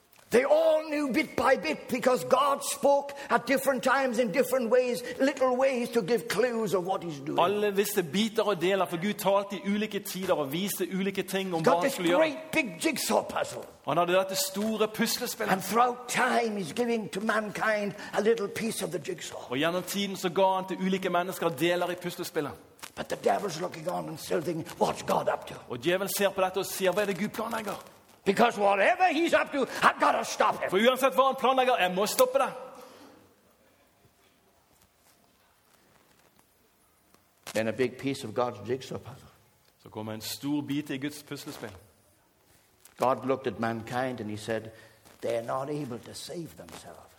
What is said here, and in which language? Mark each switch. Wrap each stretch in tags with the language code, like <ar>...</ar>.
<en>They all knew bit by bit because God spoke at different times in different ways, little ways to give clues of what he's doing.</en> <no>Alle visste biter og deler, for Gud talte i ulike tider og viste ulike ting om hva han skulle gjøre.</no> <en>Got this great big jigsaw puzzle.</en> <no>Han hadde dette store puslespillet.</no> <en>And throughout time he's giving to mankind a little piece of the jigsaw.</en> <no>Og gjennom tiden så ga han til ulike mennesker deler i puslespillet.</no> <en>But the devil's looking on and still thinking, what's God up to?</en> <no>Og djevel ser på dette og sier, hva er det Gud planlegger?</no> <en>Because whatever he's up to, I've got to stop him.</en> <no>For uansett hva han planlegger, jeg må stoppe det.</no> <en>Then a big piece of God's jigsaw puzzle.</en> <no>Så kommer en stor bit i Guds puslespill.</no> <en>God looked at mankind and he said, they're not able to save themselves.</en>